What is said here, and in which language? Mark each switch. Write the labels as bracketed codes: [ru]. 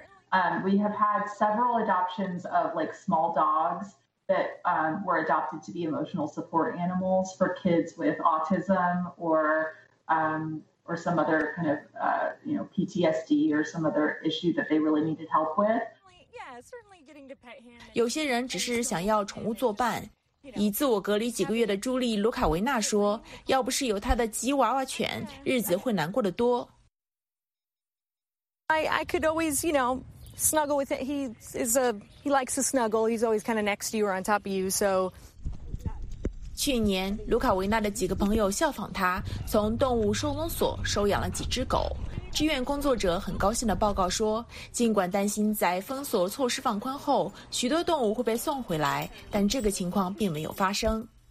[en] We have had several adoptions of like small dogs that were adopted to be emotional support animals for kids with autism or some other kind of PTSD or some other issue that they really needed help with. Yeah, certainly getting to pet him. [zh] 有些人只是想要宠物作伴。以自我隔离几个月的朱莉·卢卡维纳说，要不是有她的吉娃娃犬，日子会难过得多。 [en] I could always, you know, snuggle with it. He likes to snuggle. He's always kind of next to you or on top of you, so. [zh] 去年，卢卡维纳的几个朋友效仿他，从动物收容所收养了几只狗。志愿工作者很高兴地报告说，尽管担心在封锁措施放宽后，许多动物会被送回来，但这个情况并没有发生。